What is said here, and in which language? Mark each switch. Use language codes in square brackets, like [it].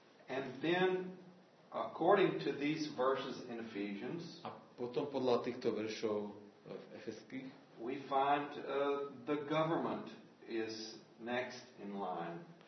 [en] And then according to these verses in Ephesians, [sk] a potom podľa týchto veršov v Efeských, [en] we find the government is next in line.